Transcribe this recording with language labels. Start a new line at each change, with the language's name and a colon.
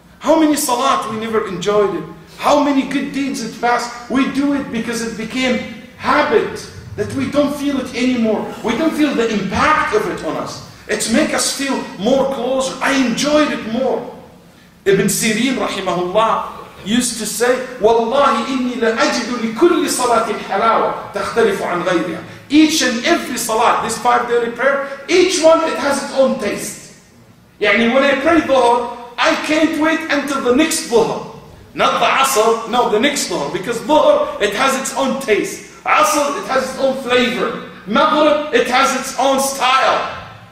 English: How many salat we never enjoyed it? How many good deeds in the past? We do it because it became habit, that we don't feel it anymore. We don't feel the impact of it on us. It make us feel more closer. I enjoyed it more. Ibn Sirin, rahimahullah, used to say,
Arabic: وَاللَّهِ إِنِّي لَأَجِدُ لِكُلِّ صَلَاةِ الْحَلَاوَةِ تَخْتَلِفُ عَنْ غَيْرِهَا.
English: Each and every salat, this five daily prayer, each one, it has its own taste.
Arabic: يعني
English: when I pray dhuhr, I can't wait until the next dhuhr. Not the asr, no, the next dhuhr. Because dhuhr, it has its own taste. Asr, it has its own flavor. Maghrib, it has its own style.